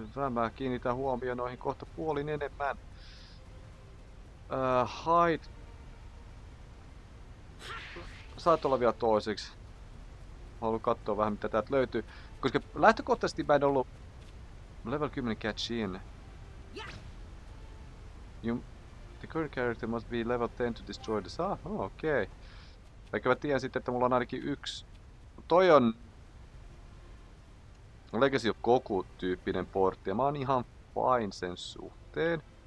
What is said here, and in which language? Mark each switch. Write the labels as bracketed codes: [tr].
[fi] Mä kiinnitän huomioon noihin kohta puolin enemmän. Hide. Saat olla vielä toiseksi. haluan katsoa vähän mitä täältä löytyy. Koska lähtökohtaisesti mä en ollut level 10 catchin. [en] The current character must be level 10 to destroy this. Ah, oh, okei. Okay. [fi] Vaikka mä tiedän sitten, että mulla on ainakin yksi. Toi on Legacy of Goku-tyyppinen portti ja mä oon ihan fine sen suhteen.